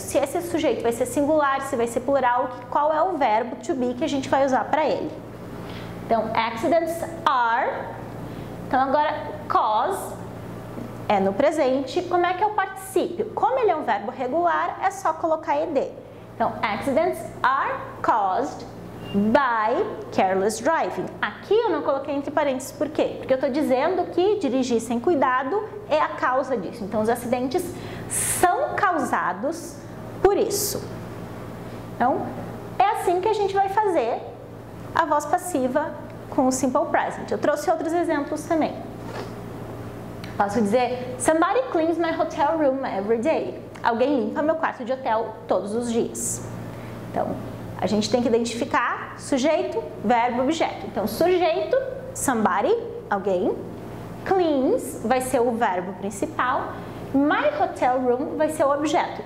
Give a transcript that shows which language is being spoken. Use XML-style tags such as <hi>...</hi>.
<pt>Se esse sujeito vai ser singular, se vai ser plural, qual é o verbo to be que a gente vai usar para ele. Então,</pt> <en>accidents are.</en> <pt>Então, agora, cause é no presente. Como é que é o particípio? Como ele é um verbo regular, é só colocar ed. Então,</pt> <en>accidents are caused by careless driving.</en> <pt>Aqui eu não coloquei entre parênteses, por quê? Porque eu estou dizendo que dirigir sem cuidado é a causa disso. Então, os acidentes são causados por isso. Então, é assim que a gente vai fazer a voz passiva com o simple present. Eu trouxe outros exemplos também. Posso dizer,</pt> <en>somebody cleans my hotel room every day.</en> <pt>Alguém limpa meu quarto de hotel todos os dias. Então, a gente tem que identificar sujeito, verbo, objeto. Então, sujeito, somebody, alguém, cleans, vai ser o verbo principal,</pt> <en>my hotel room</en> <pt>vai ser o objeto.</pt>